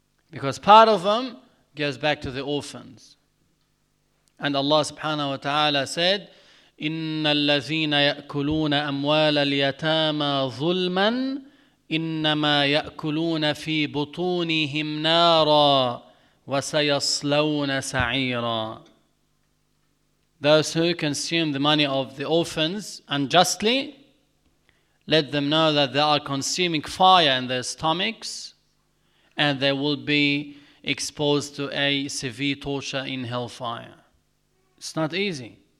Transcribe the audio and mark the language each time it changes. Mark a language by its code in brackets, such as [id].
[en] Because part of them goes back to the orphans. And Allah subhanahu wa ta'ala said, [ar] إِنَّ الَّذِينَ يَأْكُلُونَ أَمْوَالَ الْيَتَامَى ظُلْمًا إِنَّمَا يَأْكُلُونَ فِي بُطُونِهِمْ نَارًا وَسَيَصْلَوْنَ سَعِيرًا. [en] Those who consume the money of the orphans unjustly, let them know that they are consuming fire in their stomachs and they will be exposed to a severe torture in hellfire. It's not easy.